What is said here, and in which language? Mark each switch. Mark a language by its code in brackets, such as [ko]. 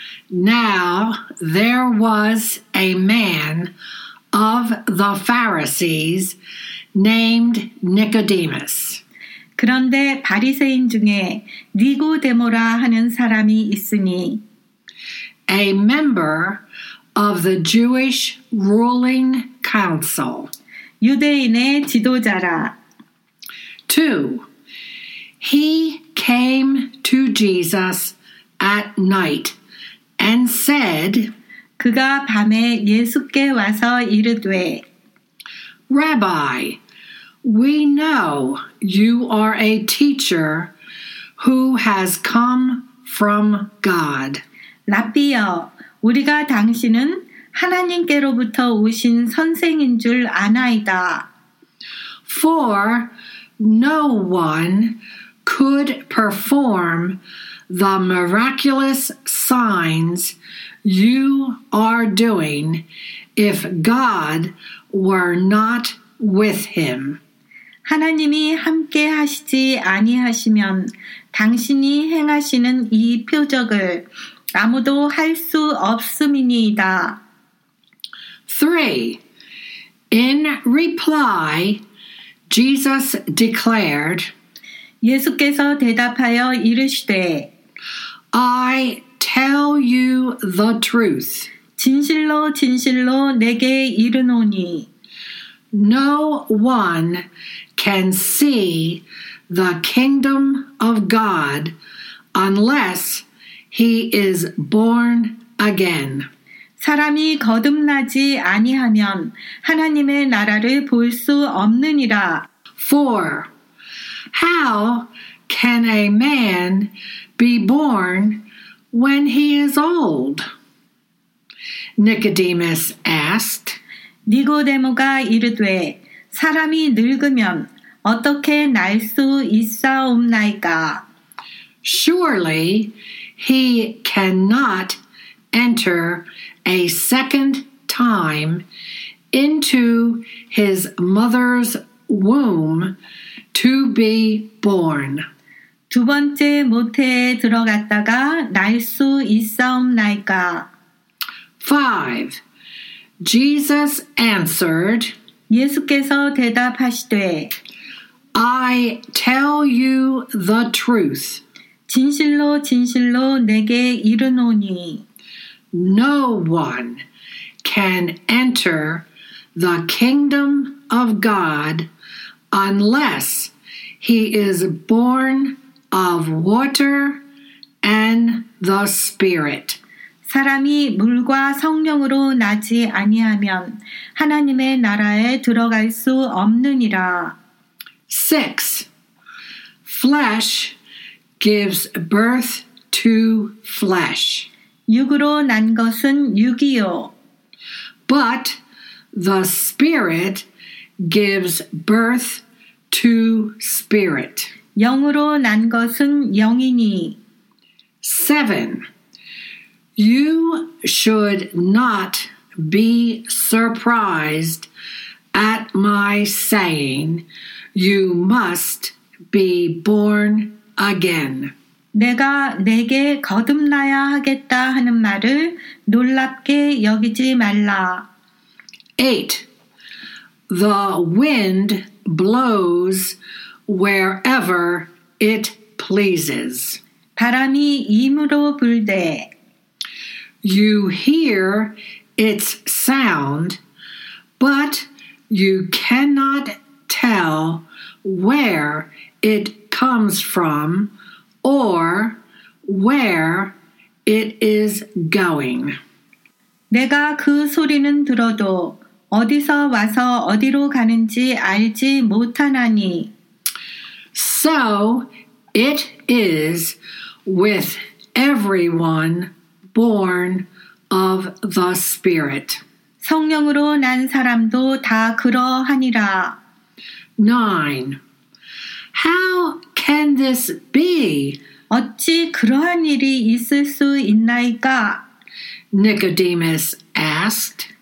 [en] Now there was a man of the Pharisees named Nicodemus. [ko] 그런데 바리새인 중에 니고데모라 하는 사람이 있으니 [en] a member of the Jewish ruling council. [ko] 유대인의 지도자라 [en] 2. He came to Jesus at night and said, [ko] 그가 밤에 예수께 와서 이르되, [en] Rabbi, we know you are a teacher who has come from God. [ko] 랍비여, 우리가 당신은 하나님께로부터 오신 선생인 줄 아나이다. [en] For no one could perform the miraculous signs you are doing if God were not with him. [ko] 하나님이 함께 하시지 아니하시면 당신이 행하시는 이 표적을 아무도 할 수 없음이니이다. [en] 3. In reply, Jesus declared, [ko] 예수께서 대답하여 이르시되 [en] I tell you the truth. [ko] 진실로 진실로 내게 이르노니 [en] No one can see the kingdom of God unless he is born again. [ko] 사람이 거듭나지 아니하면 하나님의 나라를 볼 수 없느니라 [en] 4. How can a man be born when he is old? Nicodemus asked. [ko] 니고데모가 이르되 사람이 늙으면 어떻게 날 수 있사옵나이까? [en] Surely he cannot enter a second time into his mother's womb to be born. [ko] 두 번째 모태에 들어갔다가 날 수 있사옵나이까? [en] 5. Jesus answered, [ko] 예수께서 대답하시되, [en] I tell you the truth. [ko] 진실로 진실로 내게 이르노니, [en] No one can enter the kingdom of God unless he is born of water and the Spirit. [ko] 사람이 물과 성령으로 나지 아니하면 하나님의 나라에 들어갈 수 없느니라. [en] 6. Flesh gives birth to flesh. [ko] 육으로 난 것은 육이요. [en] But the Spirit gives birth to spirit. [ko] 영으로 난 것은 영이니. [en] 7. You should not be surprised at my saying, you must be born again. [ko] 내가 내게 거듭나야 하겠다 하는 말을 놀랍게 여기지 말라. [en] 8. The wind blows wherever it pleases. [ko] 바람이 임으로 불되. [en] You hear its sound, but you cannot tell where it comes from or where it is going. [ko] 내가 그 소리는 들어도 어디서 와서 어디로 가는지 알지 못하나니. [en] So it is with everyone born of the Spirit. [ko] 성령으로 난 사람도 다 그러하니라. [en] 9. How can this be? [ko] 어찌 그러한 일이 있을 수 있나이까? [en] Nicodemus asked.